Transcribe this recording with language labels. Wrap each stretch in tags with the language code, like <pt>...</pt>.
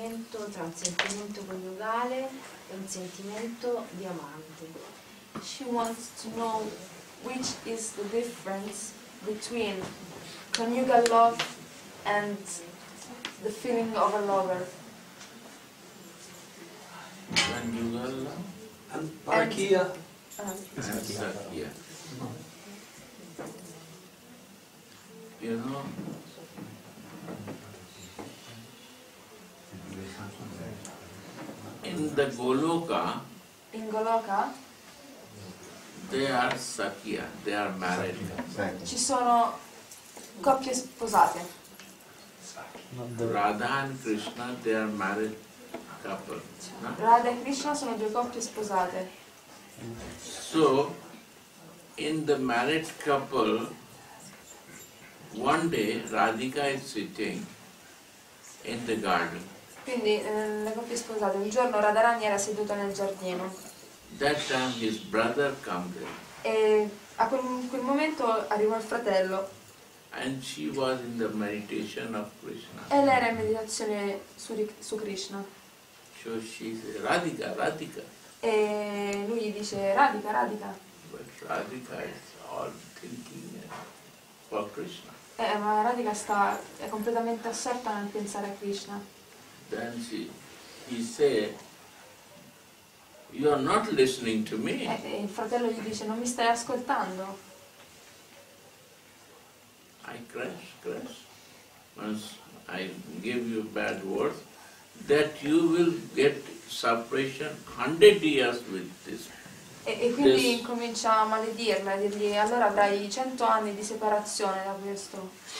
<it>Tra un sentimento coniugale e un sentimento di amante.</it> <en>She wants to know which is the difference between conjugal love and the feeling of a lover. Conjugal love and parakia. You know. In the Goloka, in Goloka, they are sakya, they are married.</en> <it>Ci sono coppie sposate.</it> <en>Radha and Krishna, they are married couple. No?</en> <it>Radha e Krishna sono due coppie sposate.</it> <en>So, in the married couple, one day Radhika is sitting in the garden.</en> <it>Quindi le coppie sposate, un giorno Radharani era seduto nel giardino.</it> <en>That time his brother came there.</en> <it>E a quel momento arrivò il fratello.</it> <en>And she was in the meditation of Krishna.</en> <it>E lei era in meditazione su Krishna.</it> <en>So she said, Radhika, Radhika.</en> <it>E lui gli dice Radhika, Radhika.</it> <en>But Radhika is all thinking for Krishna.</en> <it>Ma Radhika è completamente assorta nel pensare a Krishna.</it> <en>Then he said, "You are not listening to me."</en> <it>Il fratello gli dice, "Non mi stai ascoltando."</it> <en>I crash. Once I give you bad words, that you will get separation 100 years with this.</en> <it>E quindi incomincia a maledirla, a dirgli allora avrai 100 anni di separazione da questo.</it>